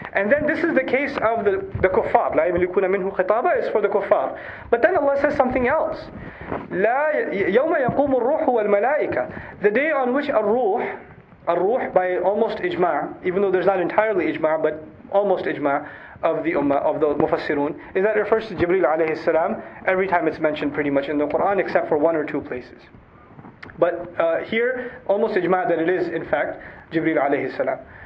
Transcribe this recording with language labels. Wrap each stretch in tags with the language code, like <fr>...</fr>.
<en>And then this is the case of the kuffar.</en> <ar>لا يملكون منه خطابا</ar> <en>is for the kuffar. But then Allah says something else.</en> <ar>لا يوم يقوم الروح والملائكة.</ar> <en>The day on which الروح by almost ijma, even though there's not entirely ijma, but almost ijma of the ummah, of the mufassirun, is that it refers to Jibreel alayhi salam every time it's mentioned pretty much in the Quran, except for one or two places. But here, almost ijma that it is, in fact, Jibreel alayhi salam.</en>